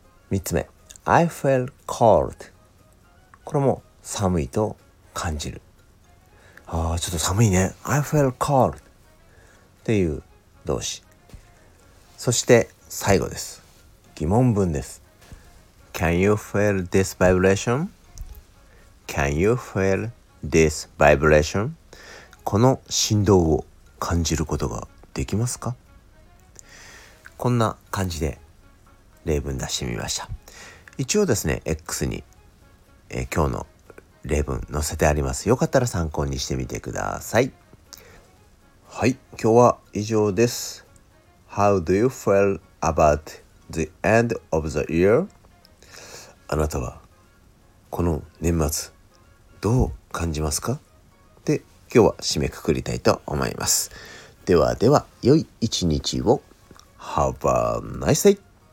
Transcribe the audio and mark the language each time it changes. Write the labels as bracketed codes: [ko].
[ja] 3つ目、 [en] I feel cold、 [ja] これも寒いと感じる、あーちょっと寒いね、 I feel cold っていう動詞。そして最後です、疑問文です。 [en] Can you feel this vibration? Can you feel this vibration? [ja] この振動を感じることができますか。こんな感じで例文出してみました。一応ですね、X に、今日の例文載せてあります。よかったら参考にしてみてください。はい、今日は以上です。 [en] How do you feel about the end of the year? [ja] あなたはこの年末どう感じますか? で、今日は締めくくりたいと思います。ではでは、良い一日を。 [en] Have a nice day!